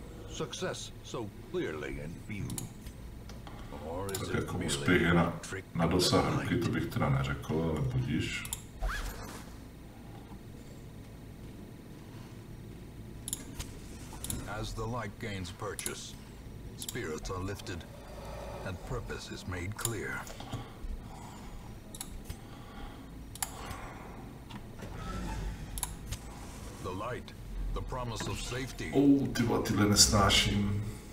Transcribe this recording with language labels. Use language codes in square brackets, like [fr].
[en] Success so clearly in view. Or is it [cs] jako úspěch je na dosah ruky, to bych teda neřekl, ale budíš. [en] As the light gains purchase, spirits are lifted and purpose is made clear. The light, the promise of safety. [cs] Oh, ty vole, tyhle nesnáším.